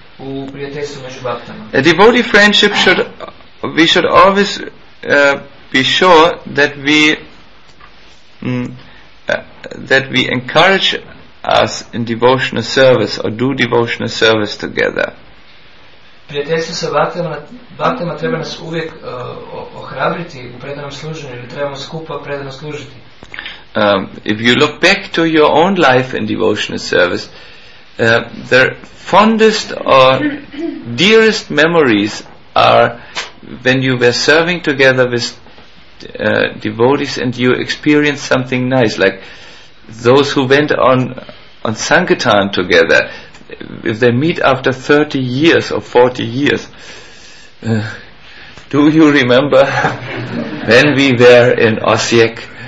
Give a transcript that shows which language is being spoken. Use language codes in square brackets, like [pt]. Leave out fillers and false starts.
[hr] U prijateljstvu među baktama. [en] A devotee friendship should, we should always be sure that we that we encourage us in devotional service or do devotional service together. [hr] Prijateljstvo sa baktama treba nas uvijek ohrabriti u predanom služenju ili trebamo skupa predano služiti. [en] If you look back to your own life in devotional service, the fondest or dearest memories are when you were serving together with devotees and you experienced something nice, like those who went on Sankirtan together, if they meet after 30 years or 40 years, do you remember when we were in Osijek?